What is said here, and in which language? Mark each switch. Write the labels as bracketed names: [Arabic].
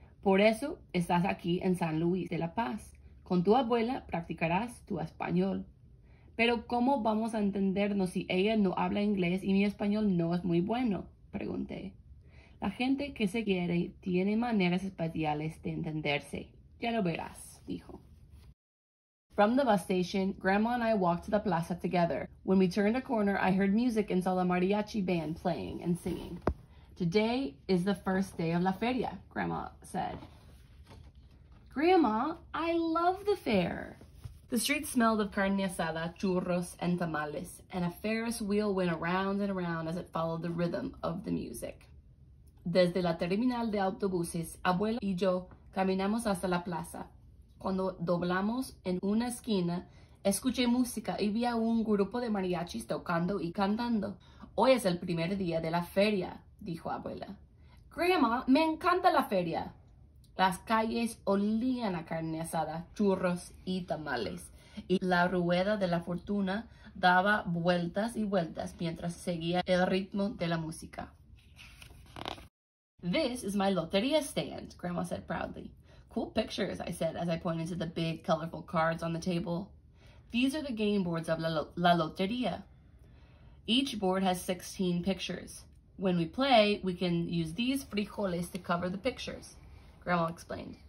[Spanish] Por eso estás aquí en San Luis de la Paz. Con tu abuela practicarás tu español. Pero ¿cómo vamos a entendernos si ella no habla inglés y mi español no es muy bueno? Pregunté. La gente que se quiere tiene maneras especiales de entenderse. Ya lo verás, dijo. [English] From the bus station, Grandma and I walked to the plaza together. When we turned a corner, I heard music and saw the mariachi band playing and singing. Today is the first day of la feria, Grandma said. Grandma, I love the fair. The street smelled of carne asada, churros, and tamales, and a Ferris wheel went around and around as it followed the rhythm of the music. [Spanish] Desde la terminal de autobuses, abuela y yo caminamos hasta la plaza. Cuando doblamos en una esquina, escuché música y vi a un grupo de mariachis tocando y cantando. Hoy es el primer día de la feria, dijo abuela. Grandma, me encanta la feria. Las calles olían a carne asada, churros y tamales. Y la rueda de la fortuna daba vueltas y vueltas mientras seguía el ritmo de la música. [English] This is my lotería stand, Grandma said proudly. Cool pictures, I said as I pointed to the big, colorful cards on the table. These are the game boards of la lotería. Each board has 16 pictures. When we play, we can use these frijoles to cover the pictures, Grandma explained.